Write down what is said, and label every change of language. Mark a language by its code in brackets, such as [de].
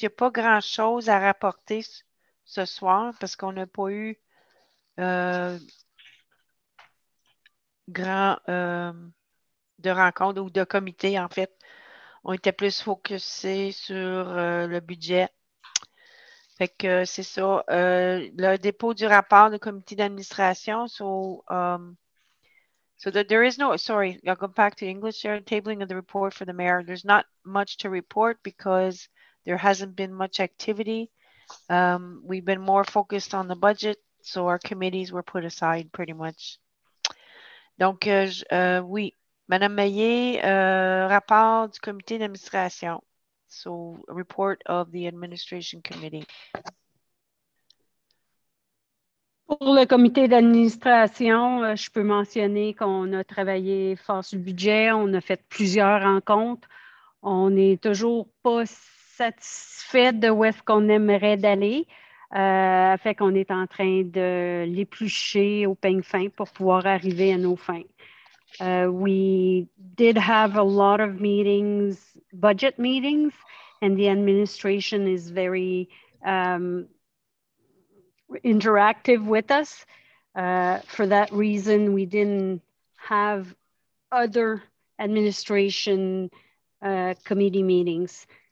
[fr] Il n'y a pas grand-chose à rapporter ce soir parce qu'on n'a pas eu grand de rencontre ou de comité, en fait. On était plus focusé sur le budget. Fait que c'est ça. Le dépôt du rapport du comité d'administration sur... [en] I'll go back to English here, tabling of the report for the mayor. There's not much to report because there hasn't been much activity. We've been more focused on the budget, so our committees were put aside pretty much. [fr] Donc, oui, Madame Meillet, rapport du comité d'administration. [en] So, report of the administration committee. [fr] Pour le comité d'administration, je peux mentionner qu'on a travaillé fort sur le budget, on a fait plusieurs rencontres. On n'est toujours pas satisfait de où est-ce qu'on aimerait d'aller. Fait qu'on est en train de l'éplucher au peigne fin pour pouvoir arriver à nos fins. [en] We did have a lot of meetings, budget meetings, and the administration is very... interactive with us. For that reason, we didn't have other administration committee meetings.